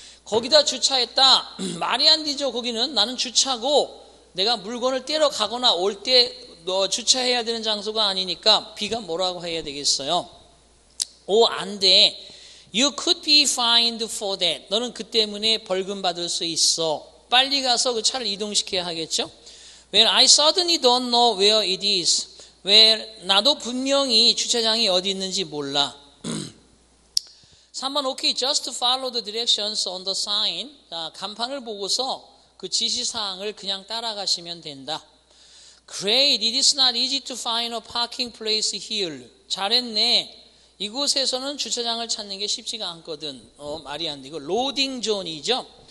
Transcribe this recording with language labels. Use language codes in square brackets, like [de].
[ko] 거기다 주차했다. 말이 안 되죠. 거기는 나는 주차고 내가 물건을 떼러 가거나 올 때 주차해야 되는 장소가 아니니까 비가 뭐라고 해야 되겠어요? 오, 안 돼. [en] You could be fined for that. [ko] 너는 그 때문에 벌금 받을 수 있어. 빨리 가서 그 차를 이동시켜야 하겠죠? [en] Well, I suddenly don't know where it is. [ko] Well, 나도 분명히 주차장이 어디 있는지 몰라. [en] 3번, okay, just follow the directions on the sign. [ko] 자, 간판을 보고서 그 지시사항을 그냥 따라가시면 된다. [en] Great, it is not easy to find a parking place here. [ko] 잘했네. 이곳에서는 주차장을 찾는 게 쉽지가 않거든. 말이 안 돼. 이거 로딩 존이죠.